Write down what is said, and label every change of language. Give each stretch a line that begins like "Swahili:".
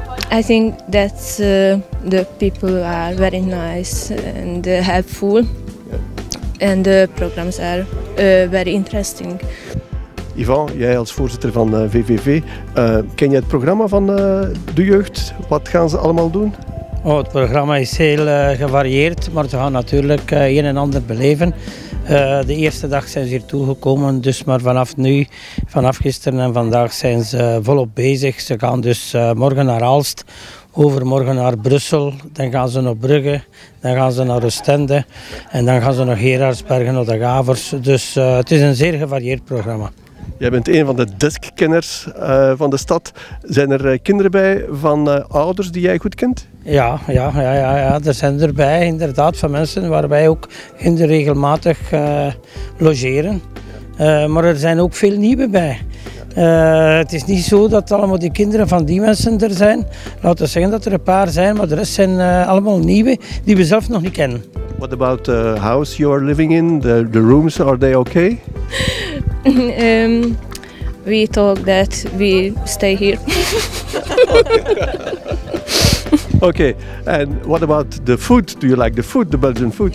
English: I think that the people are very nice and helpful, and the programs are very interesting.
Dutch: Ivan, jij als voorzitter van VVV, ken jij het programma van de jeugd? Wat gaan ze allemaal doen? Oh, het programma is heel gevarieerd, maar ze gaan natuurlijk een en ander beleven. De eerste dag zijn ze hier toegekomen, dus maar vanaf nu, vanaf gisteren en vandaag zijn ze volop bezig. Ze gaan dus morgen naar Aalst, overmorgen naar Brussel, dan gaan ze naar Brugge, dan gaan ze naar Oostende en dan gaan ze naar Gerardsbergen, naar de Gavers. Dus het is een zeer gevarieerd programma. Jij bent een van de deskkenners van de stad. Zijn er kinderen bij van ouders die jij goed kent? Ja. Er zijn erbij inderdaad van mensen waar wij ook in de regelmatig logeren. Ja. Maar er zijn ook veel nieuwe bij. Het is niet zo dat allemaal die kinderen van die mensen er zijn. Laten we zeggen dat er een paar zijn, maar de rest zijn allemaal nieuwe die we zelf nog niet kennen.
English: What about the house you are living in? The rooms, are they okay? We talk that we stay here. Okay, and what about the food? Do you like the food, the Belgian food?